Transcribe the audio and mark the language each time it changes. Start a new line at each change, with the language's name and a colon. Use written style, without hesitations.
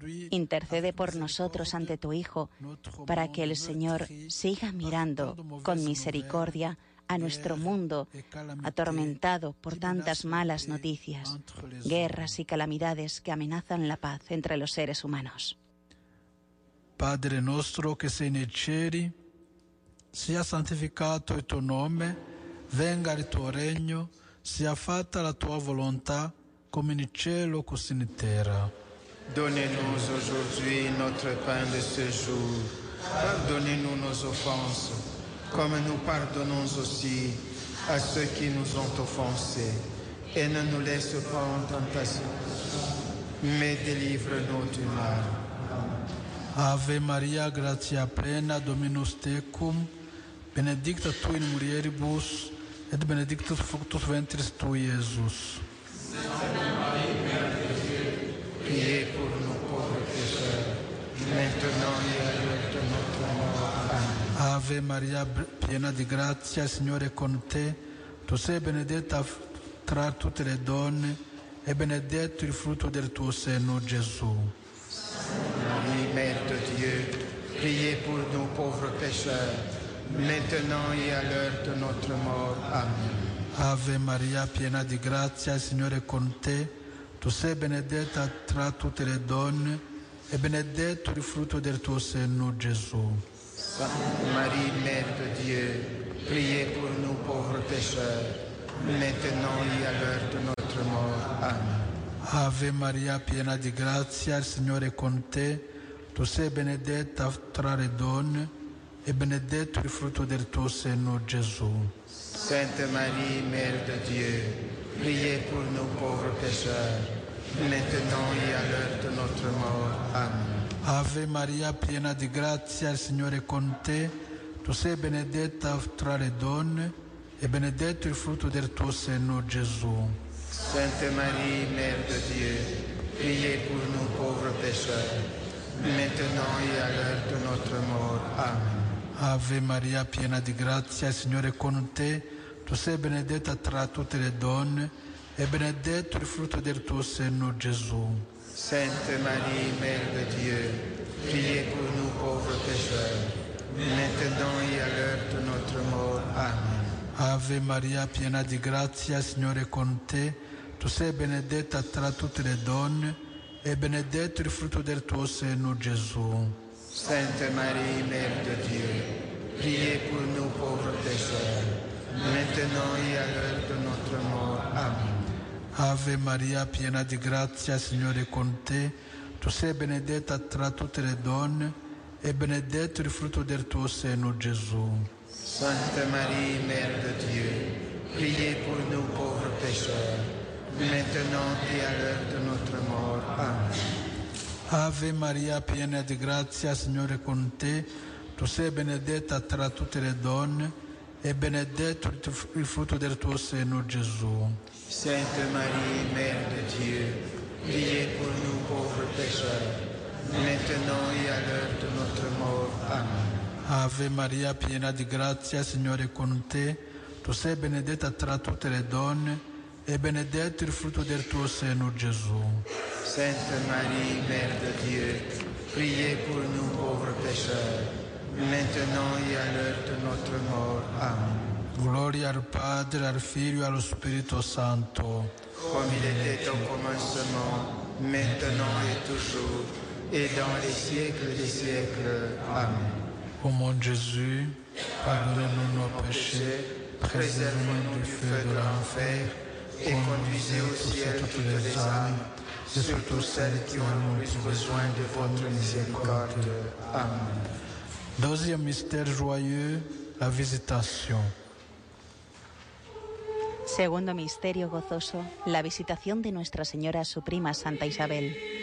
Spanish: Intercede por nosotros ante tu Hijo para que el Señor siga mirando con misericordia a nuestro mundo atormentado por tantas malas noticias, guerras y calamidades que amenazan la paz entre los seres humanos.
Italian: Padre nuestro que sei nei cieli, sia santificato il tuo nome, venga il tuo regno, sia fatta la tua volontà, come in cielo così in terra.
French: Donne-nous aujourd'hui notre pain de ce jour. Pardonne-nous nos offenses, comme nous pardonnons aussi à ceux qui nous ont offensés. Et ne nous laisse pas en tentation, mais délivre-nous du mal.
Latin: Ave Maria, gratia plena, Dominus tecum, benedicta tu in mulieribus, et benedictus fructus ventris tui, Jesus.
French: Santa Maria, Mère de Dieu, priez pour nos pauvres pécheurs, maintenant et à l'heure de notre mort.
Italian: Ave Maria, piena di grazia, Signore con te, tu sei benedetta tra tutte le donne, e benedetto il frutto del tuo seno, Gesù.
French: Santa Maria, Mère de Dieu, priez pour nos pauvres pécheurs, maintenant et à l'heure de notre mort.
Latin: Amen.
Italian: Ave Maria, piena di grazia, Signore con te, tu sei benedetta tra tutte le donne, e benedetto il frutto del tuo seno, Gesù.
French: Sainte Marie, Mère de Dieu, priez pour nous pauvres pécheurs, maintenant et à l'heure de notre mort.
Latin: Amen.
Italian: Ave Maria, piena di grazia, Signore con te, tu sei benedetta tra le donne, e benedetto il frutto del tuo seno, Gesù.
French: Sainte Marie, Mère de Dieu, priez pour nous pauvres pécheurs, maintenant et à l'heure de notre mort.
Latin: Amen.
Italian: Ave Maria, piena di grazia, il Signore è con te, tu sei benedetta tra le donne, e benedetto il frutto del tuo seno, Gesù.
French: Sainte Marie, Mère de Dieu, priez pour nous pauvres pécheurs, maintenant et à l'heure de notre mort. Amen.
Italian: Ave Maria, piena di grazia, il Signore è con te. Tu sei benedetta tra tutte le donne e benedetto il frutto del tuo seno, Gesù.
French: Sainte Marie, Mère de Dieu, priez pour nous pauvres pécheurs, maintenant et à l'heure de notre mort.
Latin: Amen.
Italian: Ave Maria, piena di grazia, Signore è con te. Tu sei benedetta tra tutte le donne e benedetto il frutto del tuo seno, Gesù.
French: Sainte Marie, Mère de Dieu, priez pour nous pauvres pécheurs, maintenant et à l'heure de notre mort.
Latin: Amen.
Italian: Ave Maria, piena di grazia, Signore è con te. Tu sei benedetta tra tutte le donne e benedetto il frutto del tuo seno, Gesù.
French: Santa Maria, Mère de Dieu, priez pour nous pauvres pécheurs, maintenant et à l'heure de notre mort.
Latin: Amen.
Italian: Ave Maria, piena di grazia, Signore è con te. Tu sei benedetta tra tutte le donne e benedetto il frutto del tuo seno, Gesù.
French: Sainte Marie, Mère de Dieu, priez pour nous pauvres pécheurs, maintenant et à l'heure de notre mort.
Latin: Amen.
Italian: Ave Maria, piena di grazia, Signore è con te. Tu sei benedetta tra tutte le donne e benedetto il frutto del tuo seno, Gesù.
French: Sainte Marie, Mère de Dieu, priez pour nous pauvres pécheurs, maintenant et à l'heure de notre mort.
Latin: Amen.
Italian: Gloria al Padre, al Figlio e allo Spirito Santo. Come il detto al
French: commencement, maintenant et toujours, et dans les siècles des siècles.
Latin: Amen.
French: Ô mon Jésus, pardonne-nous nos péchés, préserve-nous du feu de l'enfer, et conduisez au ciel toutes les âmes, et surtout celles qui ont le plus besoin de votre miséricorde. Amen. Deuxième mystère joyeux, la visitation.
Spanish: Segundo misterio gozoso, la visitación de Nuestra Señora a su prima Santa Isabel.